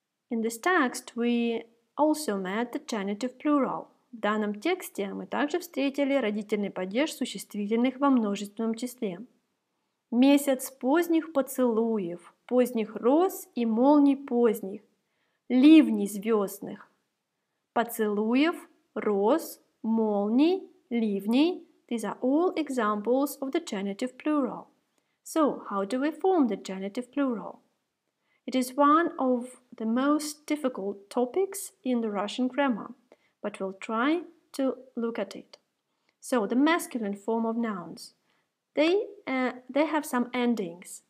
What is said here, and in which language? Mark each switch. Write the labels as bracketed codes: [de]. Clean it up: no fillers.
[en] In this text we also met the genitive plural. [ru] В данном тексте мы также встретили родительный падеж существительных во множественном числе. Месяц поздних поцелуев, поздних роз и молний поздних, ливней звездных. Поцелуев, роз, молний, ливней. [en] These are all examples of the genitive plural. So, how do we form the genitive plural? It is one of the most difficult topics in the Russian grammar, but we'll try to look at it. So, the masculine form of nouns. They have some endings.